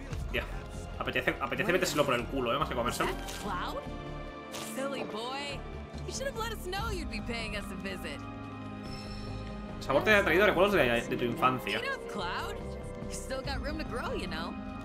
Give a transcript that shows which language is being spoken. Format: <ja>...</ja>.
<es>Tía, apetece metérselo por el culo, más que comérselo.</es> <en>Silly boy, you should have let us know you'd be paying us a visit.</en> <es>Sabor te ha traído recuerdos de tu infancia.</es> <en>Cloud, you still got room to grow, you know.</en>